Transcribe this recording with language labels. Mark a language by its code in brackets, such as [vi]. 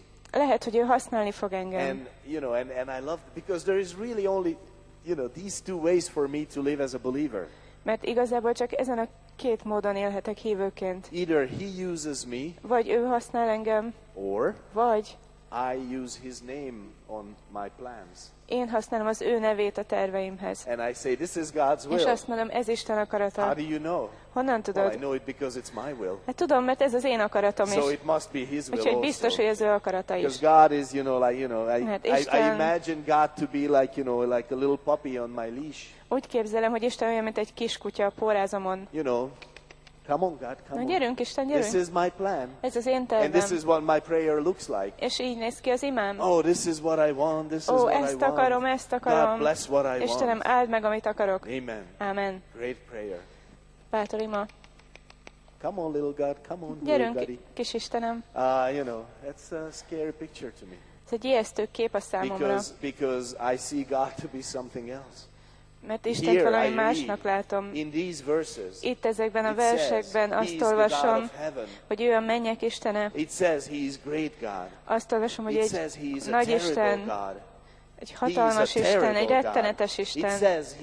[hu] Lehet, hogy ő használni fog engem. [en] And I love, because there is really only, you know, these two ways for me to live as a believer. [hu] Mert igazából csak ezen a két módon élhetek hívőként. [en] Either he uses me, [hu] vagy ő használ engem, [en] or [hu] vagy [en] I use his name on my plans. [hu] Én használom az ő nevét a terveimhez. [en] And I say, this is God's will. [hu] És azt mondom, ez Isten akarata. [en] How do you know? [hu] Honnan tudod? [en] Well, I know it because it's my will. [hu] Hát tudom, mert ez az én akaratom is. [en] So it must be his will. [hu] Úgyhogy biztos, [en] also. [hu] Hogy ez ő akarata is. [en] Because God is, you know, like, you know, I imagine God to be like, you know, like a little puppy on my leash. [hu] Úgy képzelem, hogy Isten olyan, mint egy kiskutya a pórázomon. [en] You know. Come on, God, come on. [hu] Na, gyerünk, Isten, gyerünk. [en] This is my plan. [hu] Ez az én tervem. [en] And this is what my prayer looks like. [hu] És így néz ki az imám. [en] Oh, this is what I want. This is what I want. [hu] Ó, ezt akarom, ezt akarom. [en] God bless what I want. [hu] Istenem, áld meg, amit akarok. [en] Amen. [hu] Amen. [en] Great prayer. [hu] Bátor ima. [en] Come on, little God, come on. [hu] Gyerünk, [en] little [hu] kis Istenem. [en] You know, that's a scary picture to me. [hu] egy ijesztő kép a számomra. [en] Because I see God to be something else. [hu] Mert Istent valami másnak látom. [en] In these verses, [hu] itt ezekben a versekben azt olvasom, hogy ő a mennyek Istene. [en] It says he is great God. [hu] Azt olvasom, hogy egy nagy Isten. Egy hatalmas Isten, egy rettenetes Isten.